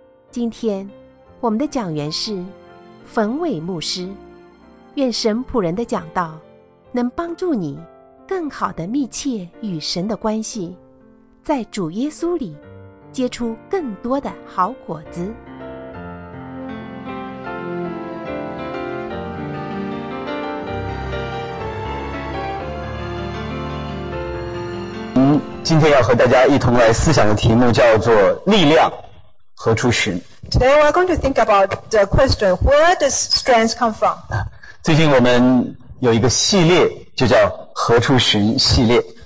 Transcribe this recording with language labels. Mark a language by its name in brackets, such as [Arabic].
[Chinese] 今天我们的讲员是冯伟牧师，愿神仆人的讲道能帮助你更好地密切与神的关系，在主耶稣里结出更多的好果子。今天要和大家一同来思想的题目叫做力量何处使。 [English] Today we're going to think about the question, where does strength come from? [Chinese] 最近我们有一个系列就叫何处使系列。